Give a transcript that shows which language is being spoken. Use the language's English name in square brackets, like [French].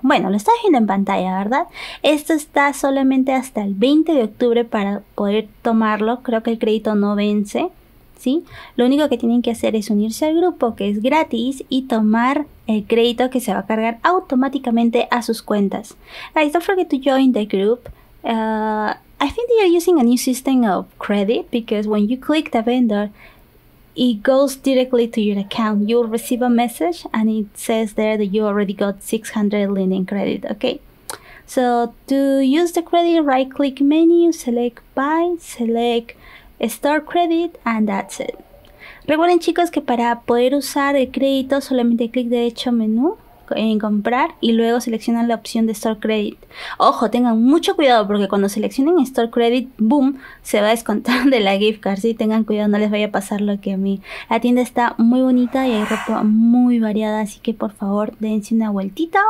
[Spanish] Bueno, lo estás viendo en pantalla, ¿verdad? Esto está solamente hasta el 20 de octubre para poder tomarlo. Creo que el crédito no vence, ¿sí? Lo único que tienen que hacer es unirse al grupo, que es gratis, y tomar el crédito que se va a cargar automáticamente a sus cuentas. [English] Guys, don't forget to join the group. I think they are using a new system of credit, because when you click the vendor, it goes directly to your account. You'll receive a message and it says there that you already got 600 linden credit, okay? So to use the credit, right click menu, select buy, select store credit, and that's it. [Spanish] Recuerden, chicos, que para poder usar el crédito solamente clic derecho menú en comprar y luego seleccionan la opción de store credit. Ojo, tengan mucho cuidado porque cuando seleccionen store credit, boom, se va a descontar de la gift card. Sí, tengan cuidado, no les vaya a pasar lo que a mí. La tienda está muy bonita y hay ropa muy variada, así que por favor dense una vueltita.